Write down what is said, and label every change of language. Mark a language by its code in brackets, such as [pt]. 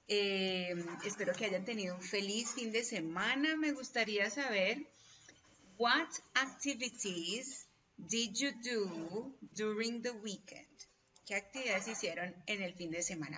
[es] Espero que hayan tenido un feliz fin de semana. Me gustaría saber, [en] what activities did you do during the weekend? [es] ¿Qué actividades hicieron en el fin de semana?